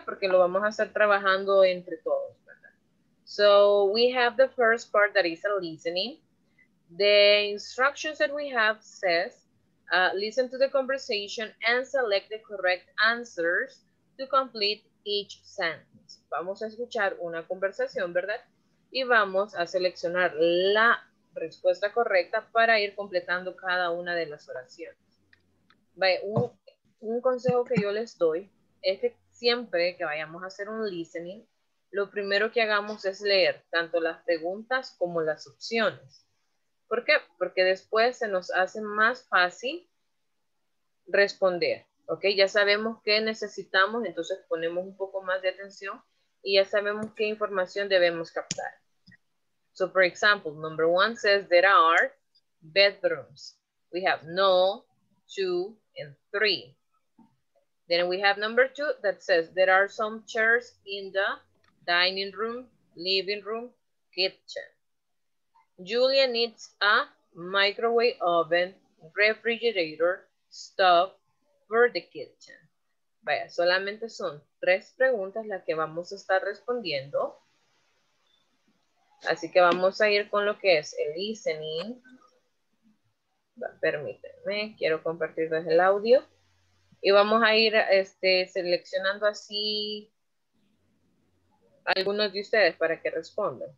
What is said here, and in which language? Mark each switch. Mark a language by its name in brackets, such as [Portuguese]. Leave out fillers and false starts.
[Spanish] Porque lo vamos a estar trabajando entre todos, ¿verdad? [English] So, we have the first part that is a listening. The instructions that we have says, listen to the conversation and select the correct answers to complete each sentence. [Spanish] Vamos a escuchar una conversación, ¿verdad? Y vamos a seleccionar la respuesta correcta para ir completando cada una de las oraciones. Vaya, un consejo que yo les doy es que siempre que vayamos a hacer un listening, lo primero que hagamos es leer tanto las preguntas como las opciones. ¿Por qué? Porque después se nos hace más fácil responder. ¿Ok? Ya sabemos qué necesitamos, entonces ponemos un poco más de atención y ya sabemos qué información debemos captar. [English] So, for example, number one says there are bedrooms. We have no, two, and three. Then we have number two that says there are some chairs in the dining room, living room, kitchen. Julia needs a microwave oven, refrigerator, stove for the kitchen. [Spanish] Vaya, solamente son tres preguntas las que vamos a estar respondiendo. Así que vamos a ir con lo que es el listening. Permíteme, quiero compartirles el audio. Y vamos a ir seleccionando así algunos de ustedes para que respondan.